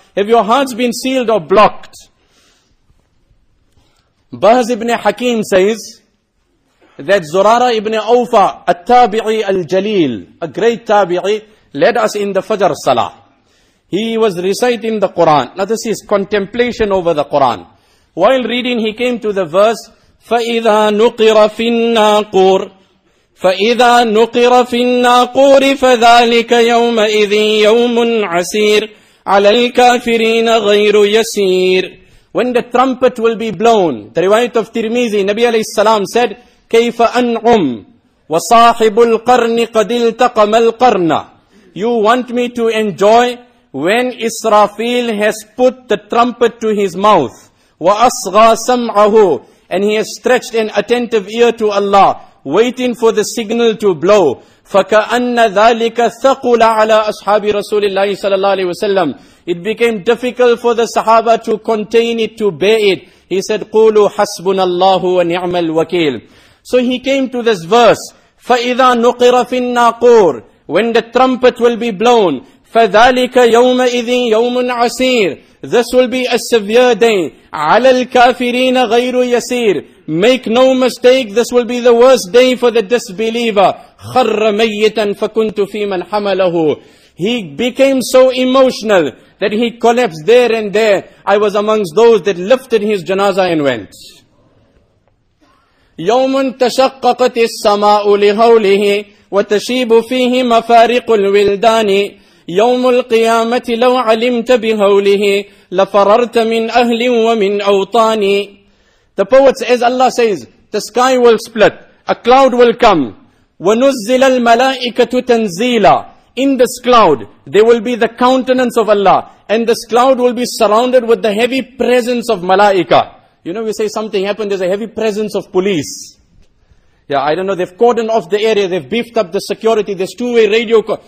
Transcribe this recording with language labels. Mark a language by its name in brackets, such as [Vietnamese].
[English] Have your hearts been sealed or blocked? Bahz ibn Hakim says that Zurara ibn Awfa, a tabi'i al-jaleel, a great tabi'i, led us in the Fajr Salah. He was reciting the Quran. Now this is contemplation over the Quran. While reading, he came to the verse, [Arabic] فَإِذَا نُقِرَ فِي النَّاقُورِ فَإِذَا نُقِرَ فِي النَّاقُورِ فَذَلِكَ يَوْمَئِذٍ يَوْمٌ عَسِيرٌ عَلَى الْكَافِرِينَ غَيْرُ يَسِيرٌ. [English] When the trumpet will be blown, the riwayat of Tirmizi, Nabi alayhi salam said, [Arabic] كَيْفَ أَنْعُمْ وَصَاحِبُ الْقَرْنِ قَدِ الْتَقَمَ الْقَرْنَ. [English] You want me to enjoy when Israfil has put the trumpet to his mouth, [Arabic] وَأَصْغَى سَمْعَهُ, [English] and he has stretched an attentive ear to Allah, waiting for the signal to blow. [Arabic] فَكَأَنَّ ذَلِكَ ثَقُلَ عَلَىٰ أَصْحَابِ رَسُولِ اللَّهِ صَلَى اللَّهِ عَلَيْهِ وَسَلَّمْ. [English] It became difficult for the Sahaba to contain it, to bear it. He said, [Arabic] قُولُوا حَسْبُنَ اللَّهُ وَنِعْمَ الْوَكِيلُ. [English] So he came to this verse, [Arabic] فَإِذَا نُقِرَ فِي النَّاقُورِ, [English] when the trumpet will be blown. [Arabic] فَذَلِكَ يَوْمَئِذٍ يَوْمٌ عَسِيرٌ. [English] This will be a severe day. [Arabic] عَلَى الْكَافِرِينَ غَيْرُ يَسِيرٌ. [English] Make no mistake, this will be the worst day for the disbeliever. [Arabic] خَرَّ مَيِّتًا فَكُنْتُ فِي مَنْ حَمَلَهُ. [English] He became so emotional that he collapsed there and there. I was amongst those that lifted his janazah and went. [Arabic] يَوْمٌ تَشَقَّقَتِ السَّمَاءُ لِهَوْلِهِ وَتَشِيبُ فِيهِ مَفَارِقُ الْوِلْدَانِ. يوم القيامة لو علمت بهوله لفررت من أهل ومن أوطاني. [English] The poets, as Allah says, the sky will split, a cloud will come. [Arabic] ونزل الملائكة تنزيلا. [English] In this cloud, there will be the countenance of Allah, and this cloud will be surrounded with the heavy presence of malaika. You know, we say something happened, there's a heavy presence of police. Yeah, I don't know, they've cordoned off the area, they've beefed up the security, there's two-way radio.